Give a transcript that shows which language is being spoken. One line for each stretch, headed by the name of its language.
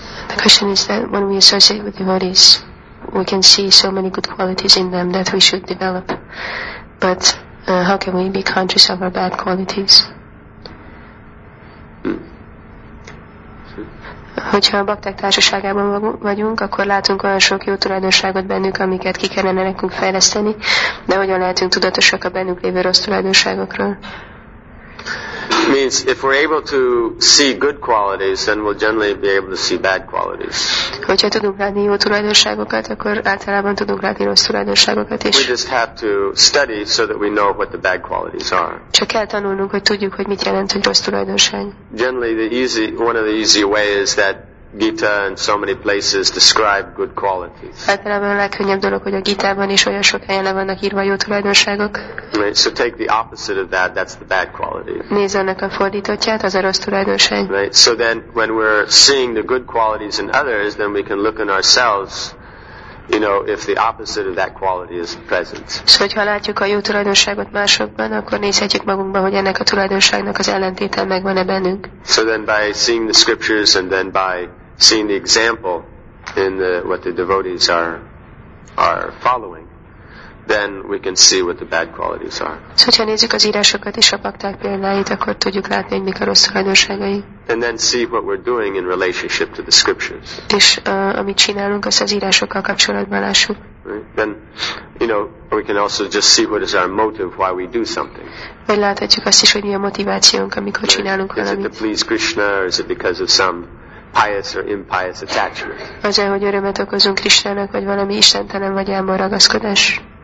English: Question is that when we associate with devotees, we can see so many good qualities in them that we should develop. But how can we be conscious of our bad qualities?
Hungarian: Hogyha a bakták társaságában vagyunk, akkor látunk olyan sok jó tulajdonságot bennük, amiket ki kellene nekünk fejleszteni, de hogyan lehetünk tudatosak a bennük lévő rossz tulajdonságokról?
English: means if we're able to see good qualities, then we'll generally be able to see bad qualities.
Hungarian: Hogyha tudunk látni jó tulajdonságokat, akkor általában tudunk látni rossz tulajdonságokat is.
English: We just have to study so that we know what the bad qualities are.
Hungarian: Csak kell tanulnunk, hogy tudjuk, hogy mit jelent egy rossz tulajdonság.
English: Generally, one of the easy ways is that Gita and so many places describe good qualities.
Hungarian: Általában a legkönnyebb dolog, hogy a Gitában is olyan sok helyen le vannak írva jó tulajdonságok.
English: Right, so take the opposite of that, that's the bad quality.
Hungarian: Nézz ennek a fordítottját, az a rossz tulajdonság.
English: Right, so then when we're seeing the good qualities in others, then we can look in ourselves, you know, if the opposite of that quality is present.
Hungarian: So, hogyha látjuk a jó tulajdonságot másokban, akkor nézhetjük magunkban, hogy ennek a tulajdonságnak az ellentéte megvan-e bennünk.
English: So then by seeing the scriptures and then by seeing the example in what the devotees are following, then we can see what the bad qualities are.
Hungarian: So, hogyha nézzük az írásokat és a bakták példáit, akkor tudjuk látni, hogy mik a rossz tulajdonságai.
English: And then see what we're doing in relationship to the scriptures.
Hungarian: És amit csinálunk, azt az írásokkal kapcsolatban lássuk.
English: Right? Then, you know, we can also just see what is our motive, why we do something.
Hungarian: Vagy láthatjuk azt is, hogy mi a motivációnk, amikor right? csinálunk valamit.
English: Is it to please Krishna, or is it because of some pious or impious attachment?
Hungarian: Azért, hogy örömet okozunk Krishnának, vagy valami istentelen vagy elmúl ragaszkodás.